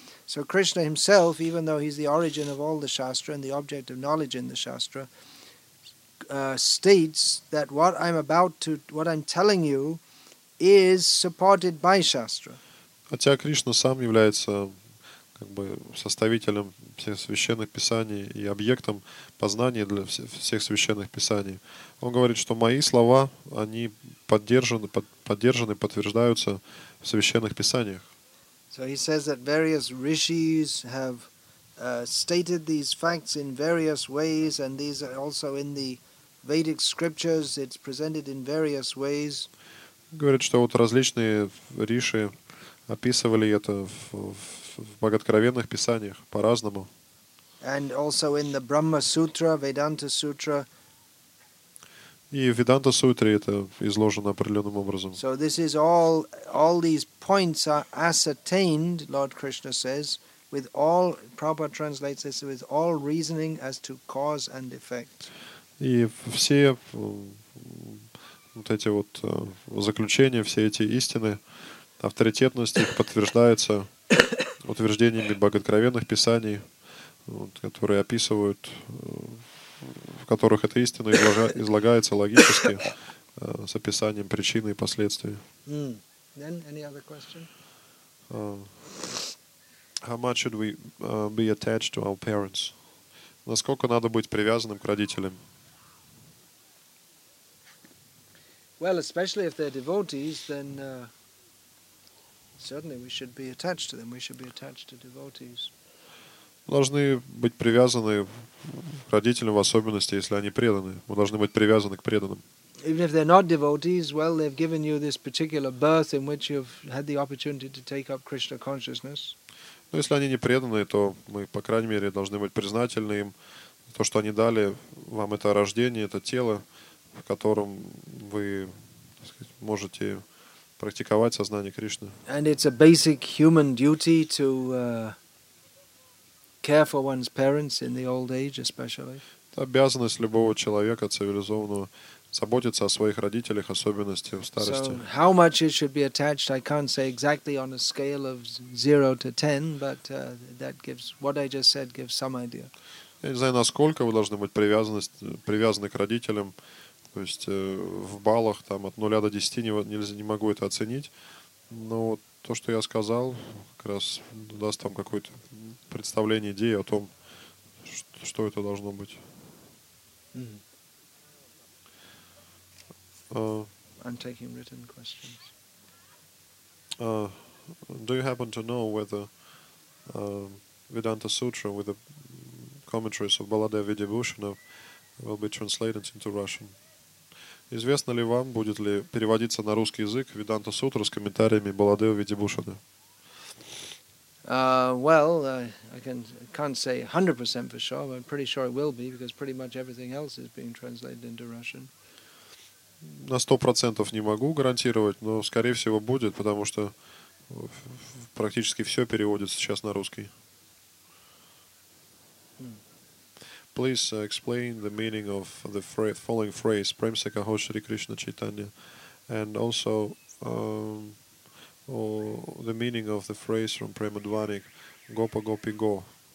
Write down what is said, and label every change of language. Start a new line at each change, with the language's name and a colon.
English: So Krishna himself, even though he's the origin of all the shastra and the object of knowledge in the shastra, states that what I'm telling you is supported by shastra.
Russian: Хотя Кришна сам является как бы составителем всех священных писаний и объектом познания для всех священных писаний. Он говорит, что мои слова, они поддержаны, подтверждаются в священных писаниях.
English: So he says that various rishis have stated these facts in various ways, and these are also in the Vedic scriptures, it's presented in various ways.
Russian: Говорит, что вот различные риши описывали это в богооткровенных писаниях по-разному.
English: And also in the Brahma Sutra, Vedanta Sutra.
Russian: И в Веданта Сутре это изложено определенным образом.
English: So this is all these points are ascertained, Lord Krishna says, with all, Prabhupada translates this, with all reasoning as to cause and effect.
Russian: И все вот эти вот заключения, все эти истины, авторитетность их подтверждается утверждениями богооткровенных писаний, вот, которые описывают в которых эта истина излагается логически, с описанием причины и последствий.
English: Then any other question? How much should we be attached to our parents?
Russian: Насколько надо быть привязанным к родителям?
English: Well, especially if they're devotees, then certainly we should be attached to them. We should be attached to devotees.
Russian: Должны быть привязаны к родителям, в особенности, если они преданы. Мы должны быть привязаны к преданным.
English: Even if they're not devotees, well, they've given you this particular birth in which you've had the opportunity to take up Krishna consciousness.
Russian: Но если они не преданные, то мы, по крайней мере, должны быть признательны им за то, что они дали вам это рождение, это тело, в котором вы, так сказать, можете практиковать сознание Кришны.
English: And it's a basic human duty to care for one's parents in the old age, especially.
Russian: Это обязанность любого человека цивилизованного заботиться о своих родителях, особенности в старости.
English: So, how much it should be attached, I can't say exactly on a scale of 0 to 10, but that gives what I just said gives some idea.
Russian: Я не знаю, насколько вы должны быть привязаны к родителям, то есть в баллах там от 0 до 10 не могу это оценить, но то, что я сказал, как раз даст вам какое-то представление, идею о том, что это должно быть. Mm-hmm.
English: I'm taking written questions. Do you happen to know whether Vedanta Sutra with the commentaries of Baladeva Vidyabhushana will be translated into Russian?
Russian: Известно ли вам, будет ли переводиться на русский язык Vedanta Sutra с комментариями Баладева Vidyabhushana?
English: Well, I can't say 100% for sure, but I'm pretty sure it will be, because pretty much everything else is being translated into Russian.
Russian: На 100% не могу гарантировать, но, скорее всего, будет, потому что практически все переводится сейчас на русский.
English: Please explain the meaning of the following phrase, Prem Se Kaho Shri Krishna Chaitanya, and also the meaning of the phrase from Premadvani, Gopa Gopi Go.